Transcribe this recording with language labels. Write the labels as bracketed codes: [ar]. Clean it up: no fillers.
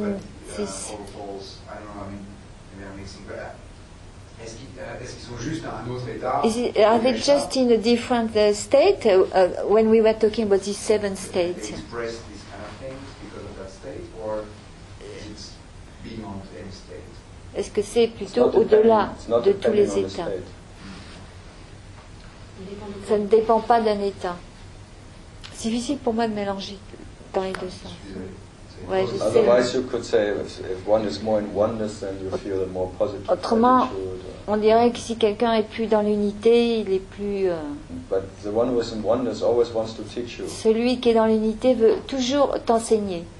[en] but, or false, I don't know, I mean, maybe I'm mixing, but are they just in a different state when we were talking about these seven states? They express these kind of things because of that state, or is it beyond any state? [fr] Est-ce que c'est plutôt au-delà de tous les états? Ça ne dépend pas d'un état. C'est difficile pour moi de mélanger dans les deux sens. Ouais, je sais. [en] Otherwise, you could say if one is more in oneness, then you feel a more positive. [fr] Autrement, on dirait que si quelqu'un est plus dans l'unité, il est plus. [en] But the one who is in oneness always wants to teach you. [fr] Celui qui est dans l'unité veut toujours t'enseigner.